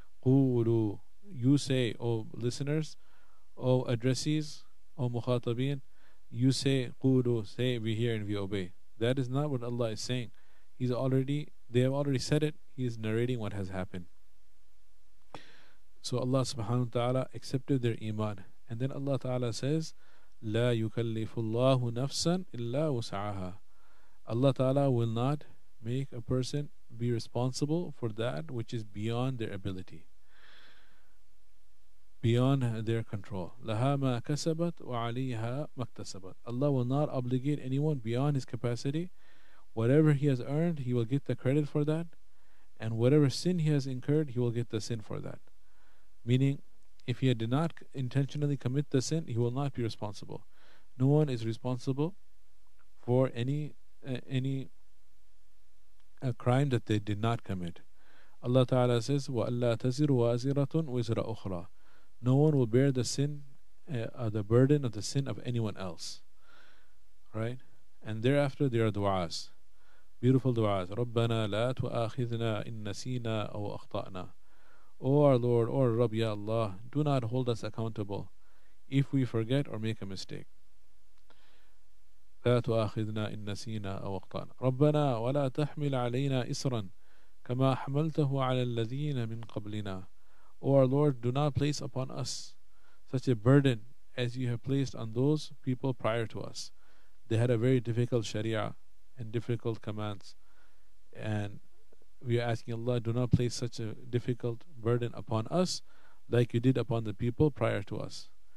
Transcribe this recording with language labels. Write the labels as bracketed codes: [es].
[ar] قولوا, [en] you say, O listeners, O addressees, O [ar] مخاطبين, [en] you say, قولوا, say, we hear and we obey. That is not what Allah is saying. They have already said it. He is narrating what has happened. So Allah subhanahu wa ta'ala accepted their iman. And then Allah ta'ala says, [ar] لا يكلف الله نفسا إلا وسعها. [en] Allah ta'ala will not make a person be responsible for that which is beyond their ability, beyond their control. [ar] لها ما كسبت وعليها ما اكتسبت. [en] Allah will not obligate anyone beyond his capacity. Whatever he has earned, he will get the credit for that. And whatever sin he has incurred, he will get the sin for that. Meaning, if he did not intentionally commit the sin, he will not be responsible. No one is responsible for any crime that they did not commit. Allah Ta'ala says, [ar] وَأَلَّا تَزِرُ وَازِرَةٌ وِزْرَ أُخْرَى. [en] No one will bear the sin, the burden of the sin of anyone else. Right? And thereafter, there are du'as. Beautiful du'as. [ar] رَبَّنَا لَا تُؤَاخِذْنَا إِن نَسِينَا أَوْ أَخْطَأْنَا. [en] O our Lord, O Rabb, Ya Allah, do not hold us accountable if we forget or make a mistake. [ar] لا تؤاخذنا إن نسينا أو أخطأنا. ربنا ولا تحمل علينا إسرا كما حملته على الذين من قبلنا. [en] O our Lord, do not place upon us such a burden as you have placed on those people prior to us. They had a very difficult sharia and difficult commands, and we are asking Allah, do not place such a difficult burden upon us like you did upon the people prior to us.